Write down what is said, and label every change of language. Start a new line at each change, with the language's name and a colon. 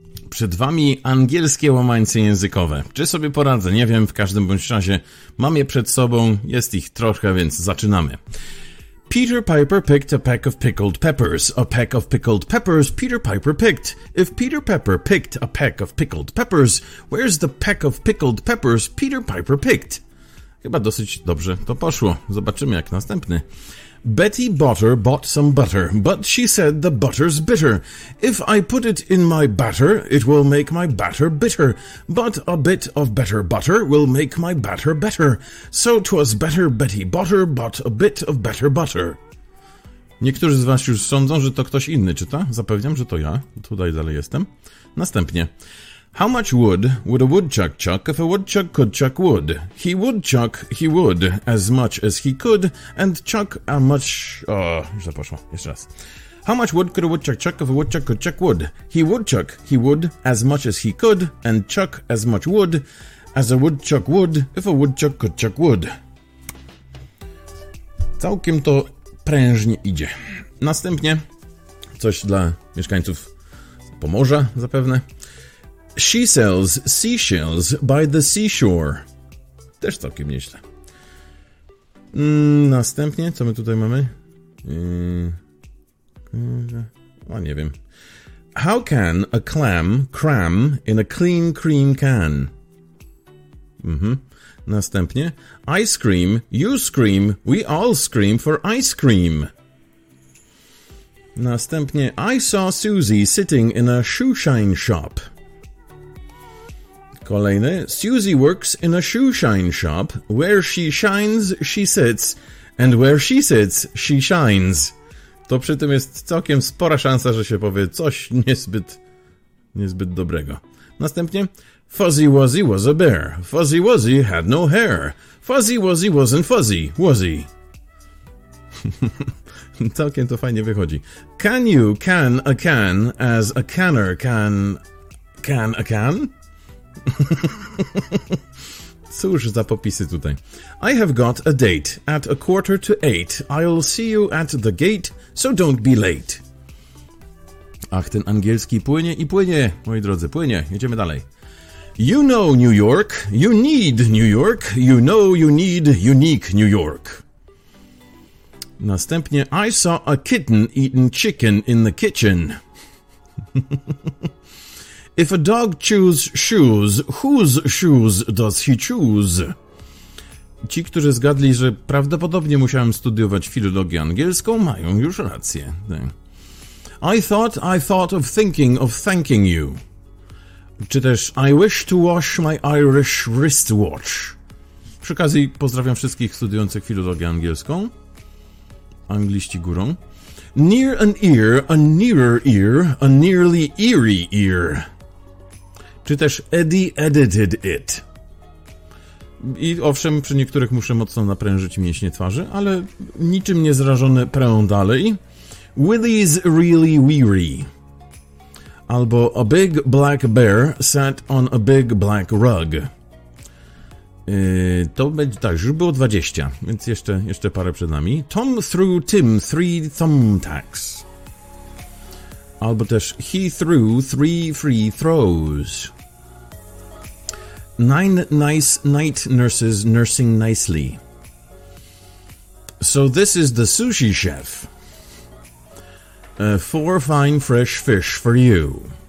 Polish: przed wami angielskie łamańce językowe. Czy sobie poradzę? Nie wiem, w każdym bądź razie mam je przed sobą, jest ich trochę, więc zaczynamy.
English: Peter Piper picked a peck of pickled peppers. A peck of pickled peppers Peter Piper picked. If Peter Pepper picked a peck of pickled peppers, where's the peck of pickled peppers Peter Piper picked?
Polish: Chyba dosyć dobrze to poszło. Zobaczymy jak następny.
English: Betty Botter bought some butter, but she said the butter's bitter. If I put it in my batter, it will make my batter bitter. But a bit of better butter will make my batter better. So 'twas better Betty Botter bought a bit of better butter.
Polish: Niektórzy z was już sądzą, że to ktoś inny czyta. Zapewniam, że to ja. Tutaj dalej jestem. Następnie.
English: How much wood would a woodchuck chuck if a woodchuck could chuck wood? He would chuck, he would, as much as he could, and chuck a much...
Polish: już zapaszło, jeszcze raz.
English: How much wood could a woodchuck chuck if a woodchuck could chuck wood? He would chuck, he would, as much as he could, and chuck as much wood, as a woodchuck would, if a woodchuck could chuck wood.
Polish: Całkiem to prężnie idzie. Następnie coś dla mieszkańców Pomorza zapewne.
English: She sells seashells by the seashore.
Polish: Też całkiem nieźle. Następnie, co my tutaj mamy? No, nie wiem.
English: How can a clam cram in a clean cream can?
Polish: Następnie.
English: Ice cream, you scream, we all scream for ice cream. Następnie. I saw Susie sitting in a shoeshine shop.
Polish: Kolejny.
English: Susie works in a shoeshine shop. Where she shines, she sits. And where she sits, she shines.
Polish: To przy tym jest całkiem spora szansa, że się powie coś niezbyt dobrego. Następnie.
English: Fuzzy Wuzzy was a bear. Fuzzy Wuzzy had no hair. Fuzzy Wuzzy wasn't fuzzy, was he?
Polish: Całkiem to fajnie wychodzi.
English: Can you can a can as a canner can a can?
Polish: Cóż za popisy tutaj.
English: I have got a date at 7:45. I'll see you at the gate, so don't be late.
Polish: Ach, ten angielski płynie i płynie, moi drodzy, płynie. Jedziemy dalej.
English: You know New York, you need New York, you know you need unique New York.
Polish: Następnie.
English: I saw a kitten eating chicken in the kitchen. If a dog chews shoes, whose shoes does he choose?
Polish: Ci, którzy zgadli, że prawdopodobnie musiałem studiować filologię angielską, mają już rację.
English: I thought of thinking of thanking you.
Polish: Czy też
English: I wish to wash my Irish wristwatch.
Polish: Przy okazji pozdrawiam wszystkich studiujących filologię angielską. Angliści górą.
English: Near an ear, a nearer ear, a nearly eerie ear.
Polish: Czy też
English: Eddie edited it.
Polish: I owszem, przy niektórych muszę mocno naprężyć mięśnie twarzy, ale niczym nie zrażony prę dalej.
English: Willie's really weary.
Polish: Albo
English: a big black bear sat on a big black rug.
Polish: To będzie, tak, już było 20, więc jeszcze parę przed nami.
English: Tom threw Tim 3 thumbtacks.
Polish: Albo też
English: he threw 3 free throws. Nine nice night nurses nursing nicely. So this is the sushi chef. Four fine fresh fish for you.